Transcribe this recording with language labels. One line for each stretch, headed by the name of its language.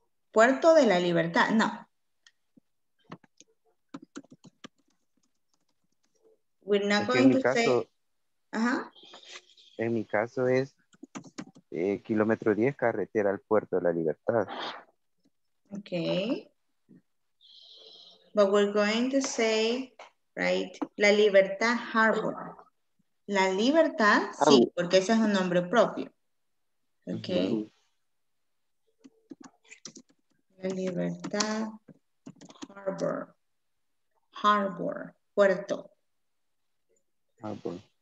Spanish: Puerto de la Libertad, no.
English: We're not going to say.
Spanish: En mi caso es kilómetro 10, carretera al Puerto de la Libertad. Ok.
English: But we're going to say, right, La Libertad Harbor.
Spanish: La Libertad, sí, porque ese es un nombre propio. Ok.
English: La Libertad Harbor. Harbor. Puerto. Harbor.